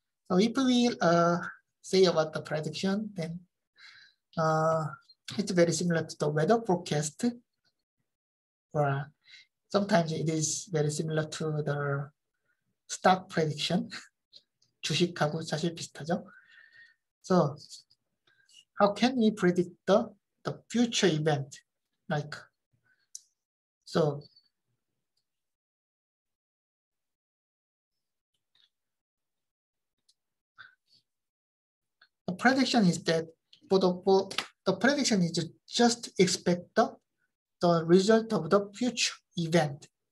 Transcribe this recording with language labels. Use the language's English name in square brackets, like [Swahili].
[English] So, if we say about the prediction, then it's very similar to the weather forecast, or sometimes it is very similar to the stock prediction. [Korean] 주식하고 사실 비슷하죠. [English] So, how can we predict the future event? Like, so, the prediction is that the prediction is just expect the result of the future event.